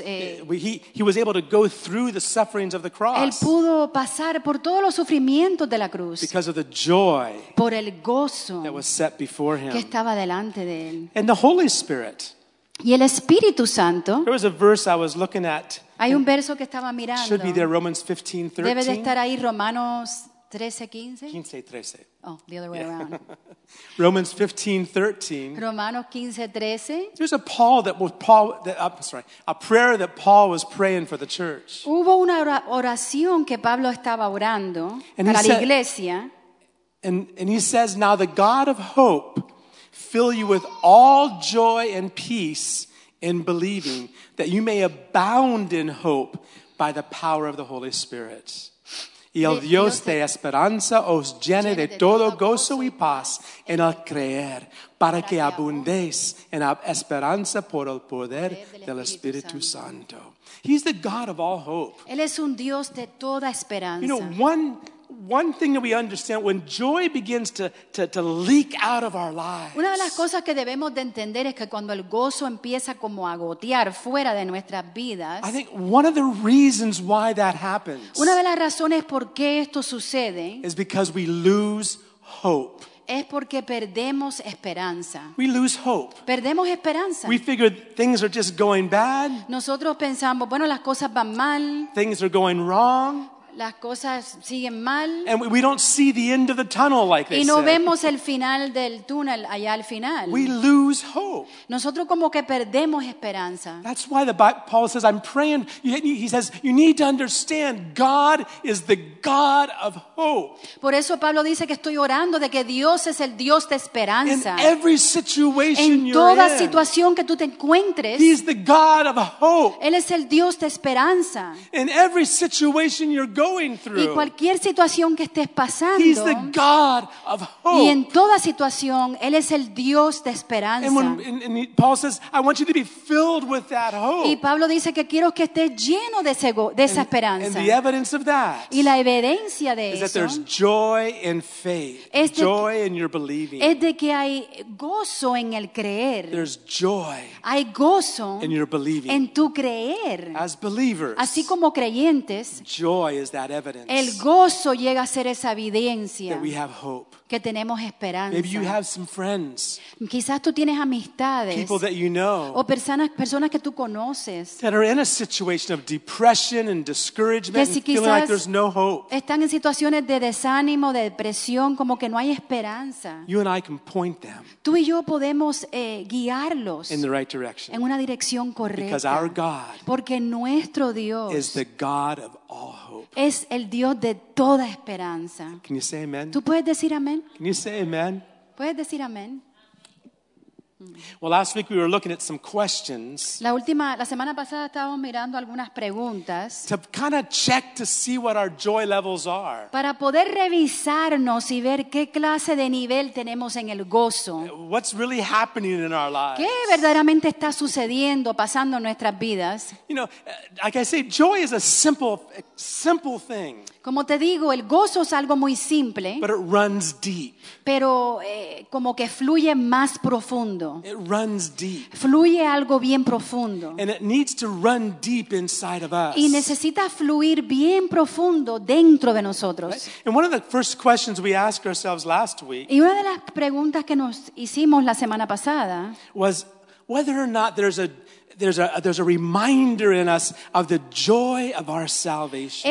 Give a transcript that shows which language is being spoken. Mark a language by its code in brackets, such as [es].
[en] He was able to go through the sufferings of the cross. [es] Él pudo pasar por todos los sufrimientos de la cruz. [en] Because of the joy. [es] Por el gozo. [en] That was set before him. [es] Que estaba delante de él. [en] And the Holy Spirit. [es] Y el Espíritu Santo. [en] There was a verse I was looking at. [es] Hay un verso que estaba mirando. [en] Should be there, Romans 15:13. [es] Debe de estar ahí Romanos 13:15. [en] Oh, the other way around. Romans 15:13. [es] Romanos 15:13. [en] There's a prayer that Paul was praying for the church. [es] Hubo una oración que Pablo estaba orando para la iglesia. [en] And he says, "Now the God of hope fill you with all joy and peace in believing, that you may abound in hope by the power of the Holy Spirit." [es] Y el Dios de esperanza os llene de todo gozo y paz en el creer, para que abundéis en esperanza por el poder del Espíritu Santo. [en] He's the God of all hope. [es] Él es un Dios de toda esperanza. [en] You know, one thing that we understand, when joy begins to leak out of our lives. [es] Una de las cosas que debemos de entender es que cuando el gozo empieza como a gotear fuera de nuestras vidas. [en] I think one of the reasons why that happens. [es] Una de las razones por qué esto sucede. [en] Is because we lose hope. [es] Es porque perdemos esperanza. [en] We lose hope. [es] Perdemos esperanza. [en] We figure things are just going bad. [es] Nosotros pensamos, bueno, las cosas van mal. [en] Things are going wrong. [es] Las cosas siguen mal. [en] And we don't see the end of the tunnel like this. [es] Y no vemos el final del túnel allá al final. [en] We lose hope. [es] Nosotros como que perdemos esperanza. [en] That's why the Bible, Paul says, "I'm praying." He says, "You need to understand, God is the God of hope." [es] Por eso Pablo dice que estoy orando de que Dios es el Dios de esperanza. [en] In every situation you're in. [es] En toda situación que tú te encuentres. [en] He's the God of hope. [es] Él es el Dios de esperanza. [en] In every situation you're going. going through. [es] Y cualquier situación que estés pasando. [en] He's the God of hope. [es] Y en toda situación, Él es el Dios de esperanza. [en] And, Paul says, I want you to be filled with that hope. [es] Y Pablo dice que quiero que estés lleno de esa esperanza. [en] And the evidence of that. [es] Y la evidencia de [en] is [es] eso. [en] Is that there's joy in faith. Joy in your believing. [es] Es de que hay gozo en el creer. [en] There's joy. [es] Hay gozo [en] in your believing. [es] En tu creer. [en] As believers. [es] Así como creyentes. [en] Joy is that evidence. [es] El gozo llega a ser esa evidencia. [en] That we have hope. [es] Que tenemos esperanza. [en] Maybe you have some friends. [es] Quizás tú tienes amistades. [en] People that you know. [es] O personas que tú conoces. [en] That are in a situation of depression and discouragement. [es] Que si quizás [en] feeling like there's no hope. [es] Están en situaciones de desánimo, de depresión, como que no hay esperanza. [en] You and I can point them. [es] Tú y yo podemos guiarlos. [en] In the right direction. [es] En una dirección correcta. [en] Because our God. [es] Porque nuestro Dios. [en] Is the God of all hope. [es] Es el Dios de toda esperanza. [en] Can you say amen? [es] Tú puedes decir amén. [en] Can you say amen? [es] Puedes decir amén. [en] Well, last week we were looking at some questions. [es] La semana pasada estábamos mirando algunas preguntas. [en] To kind of check to see what our joy levels are. [es] Para poder revisarnos y ver qué clase de nivel tenemos en el gozo. [en] What's really happening in our lives? [es] ¿Qué verdaderamente está sucediendo, pasando en nuestras vidas? [en] You know, like I say, joy is a simple thing. [es] Como te digo, el gozo es algo muy simple. [en] But it runs deep. [es] Pero como que fluye más profundo. [en] It runs deep. [es] Fluye algo bien profundo. [en] And it needs to run deep inside of us. [es] Y necesita fluir bien profundo dentro de nosotros. [en] Right? And one of the first questions we asked ourselves last week. [es] Y una de las preguntas que nos hicimos la semana pasada [en] was whether or not there's a reminder in us of the joy of our salvation.